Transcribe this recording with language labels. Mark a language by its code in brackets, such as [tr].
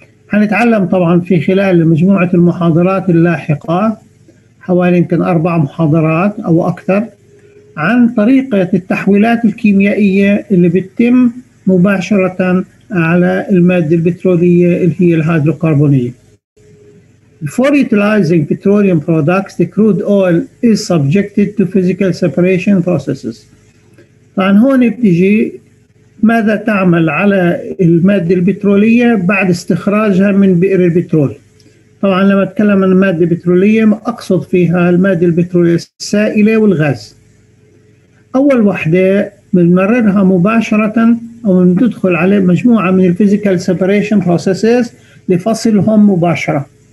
[ar] هنتعلم طبعا في خلال مجموعة المحاضرات اللاحقة، حوالي يمكن 4 محاضرات أو أكثر، عن طريقة التحويلات الكيميائية اللي بتتم مباشرة على المادة البترولية اللي هي الهيدروكربونية. [en] Before utilizing petroleum products, the crude oil is subjected to physical separation processes. [ar] طبعاً هون بتجي ماذا تعمل على المادة البترولية بعد استخراجها من بئر البترول. طبعاً لما أتكلم عن المادة البترولية أقصد فيها المادة البترولية السائلة والغاز. أول وحدة بنمررها مباشرة أو بندخل على مجموعة من [en] physical separation processes [ar] لفصلهم مباشرة.